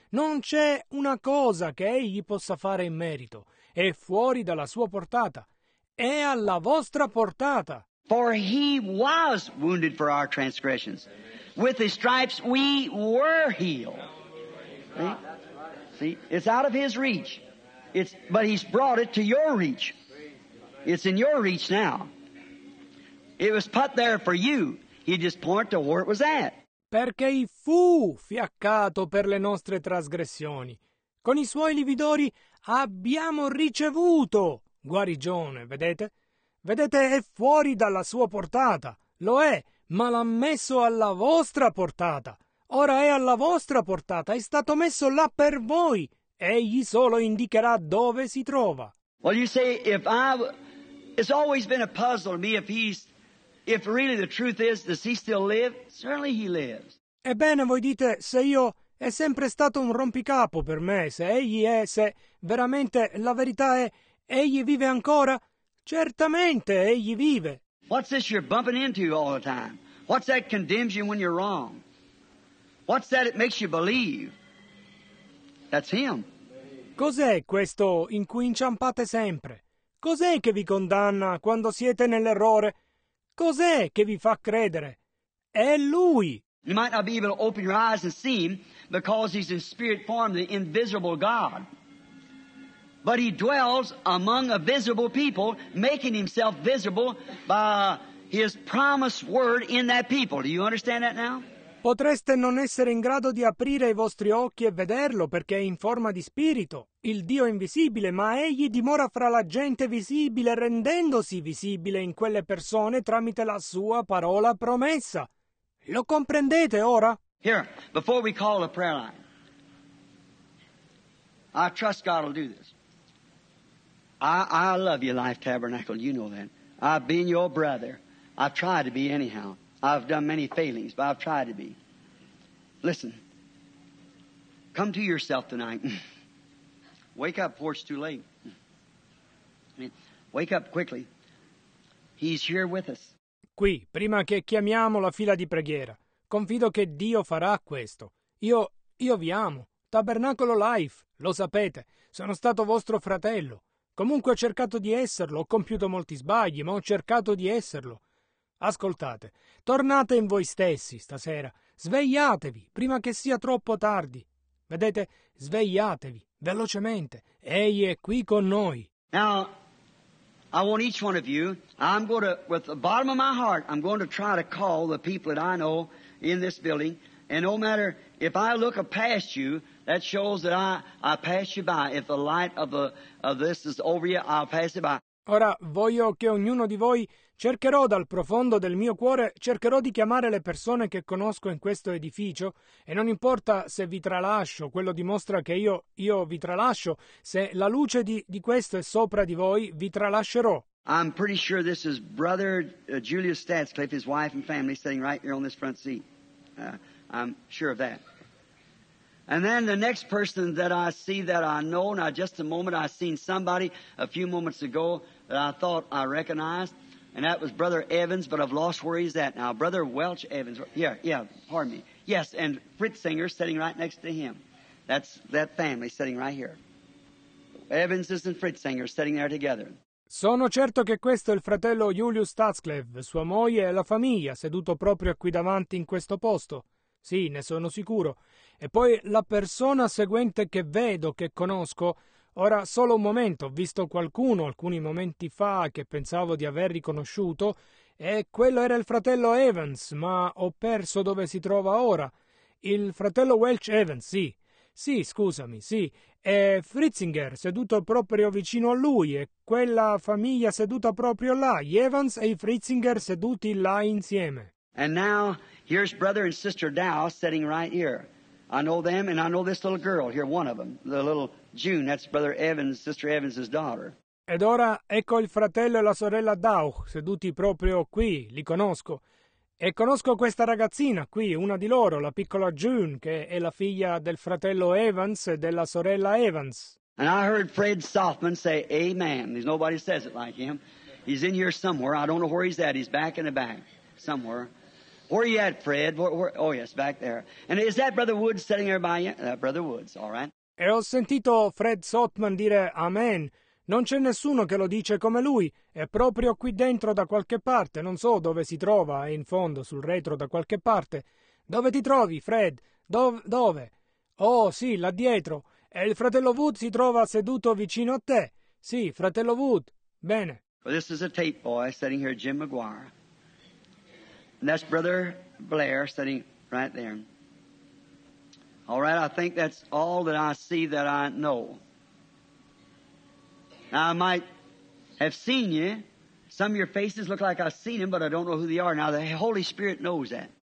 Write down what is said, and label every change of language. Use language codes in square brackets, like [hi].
[it] Non c'è una cosa che egli possa fare in merito. È fuori dalla sua portata. È alla vostra portata. [en] For he was wounded for our transgressions. With his stripes we were healed. See? It's out of his reach. But he's brought it to your reach. It's in your reach now. It was put there for you. He just pointed to where it was at. [it] Perché fu fiaccato per le nostre trasgressioni. Con i suoi lividori abbiamo ricevuto guarigione, vedete? Vedete, è fuori dalla sua portata. Lo è, ma l'ha messo alla vostra portata. Ora è alla vostra portata, è stato messo là per voi. Egli solo indicherà dove si trova. [en] Well, you say, it's always been a puzzle to me if really the truth is, does he still live? Certainly he lives. [it] Ebbene, voi dite, se io, è sempre stato un rompicapo per me, se veramente la verità è, egli vive ancora? Certamente egli vive. [en] What's this you're bumping into all the time? What's that condemns you when you're wrong? What's that it makes you believe? That's him. [it] Cos'è questo in cui inciampate sempre? Cos'è che vi condanna quando siete nell'errore? Cos'è che vi fa credere? È lui. [en] You might not be able to open your eyes and see him because he's in spirit form, the invisible God. But he dwells among a visible people, making himself visible by his promised word in that people. Do you understand that now? [it] Potreste non essere in grado di aprire i vostri occhi e vederlo perché è in forma di spirito, il Dio invisibile, ma egli dimora fra la gente visibile, rendendosi visibile in quelle persone tramite la sua parola promessa. Lo comprendete ora? [en] Here, before we call a prayer line, I trust God will do this. I love you, Life Tabernacle, you know that. I've been your brother. I've tried to be anyhow. I've done many failings, but I've tried to be. Listen, come to yourself tonight. Wake up before it's too late. Wake up quickly. He's here with us. [it] Qui, prima che chiamiamo la fila di preghiera, confido che Dio farà questo. Io vi amo. Tabernacolo Life, lo sapete. Sono stato vostro fratello. Comunque ho cercato di esserlo. Ho compiuto molti sbagli, ma ho cercato di esserlo. Ascoltate, tornate in voi stessi stasera, svegliatevi prima che sia troppo tardi. Vedete, svegliatevi, velocemente, egli è qui con noi. [en] Now, I want each one of you, with the bottom of my heart, I'm going to try to call the people that I know in this building, and no matter if I look past you, that shows that I pass you by. If the light of this is over you, I'll pass it by. [it] Ora, voglio che ognuno di voi cercherò dal profondo del mio cuore, cercherò di chiamare le persone che conosco in questo edificio e non importa se vi tralascio, quello dimostra che io vi tralascio, se la luce di questo è sopra di voi, vi tralascerò. [en] I'm pretty sure this is Brother Julius Statscliffe, his wife and family, sitting right here on this front seat. I'm sure of that. And then the next person that I see that I know, now just a moment, I seen somebody a few moments ago that I thought I recognized, and that was Brother Evans, but I've lost where he's at now. Brother Welch Evans, pardon me. Yes, and Fritz Singer sitting right next to him. That's that family sitting right here. Evans and Fritz Singer sitting there together. [it] Sono certo che questo è il fratello Julius Statscliffe, sua moglie e la famiglia, seduto proprio qui davanti in questo posto. Sì, ne sono sicuro. E poi la persona seguente che vedo, che conosco, ora solo un momento, ho visto qualcuno alcuni momenti fa che pensavo di aver riconosciuto, e quello era il fratello Evans, ma ho perso dove si trova ora. Il fratello Welch Evans, sì. Sì, scusami, sì. E Fritzinger, seduto proprio vicino a lui, e quella famiglia seduta proprio là, gli Evans e i Fritzinger seduti là insieme. [en] And now, here's brother and sister Dow sitting right here. I know them, and I know this little girl here, one of them, the little June, that's Brother Evans, Sister Evans' daughter. [it] Ed ora ecco il fratello e la sorella Dow, seduti proprio qui, li conosco. E conosco questa ragazzina qui, una di loro, la piccola June, che è la figlia del fratello Evans e della sorella Evans. [en] And I heard Fred Soffman say, amen. There's nobody says it like him. He's in here somewhere. I don't know where he's at. He's back in the back somewhere. Where are you at, Fred? Where, oh, yes, back there. And is that Brother Woods sitting there by you? Brother Woods, all right. [it] E ho sentito Fred Soffman dire amen. Non c'è nessuno che lo dice come lui. È proprio qui dentro da qualche parte. Non so dove si trova. È in fondo, sul retro da qualche parte. Dove ti trovi, Fred? Dove? Oh, sì, là dietro. E il fratello Wood si trova seduto vicino a te. Sì, fratello Wood. Bene. [en] Well, this is a tape boy sitting here, Jim McGuire. And that's Brother Blair sitting right there. All right, I think that's all that I see that I know. Now, I might have seen you. Some of your faces look like I've seen them, but I don't know who they are. Now, the Holy Spirit knows that.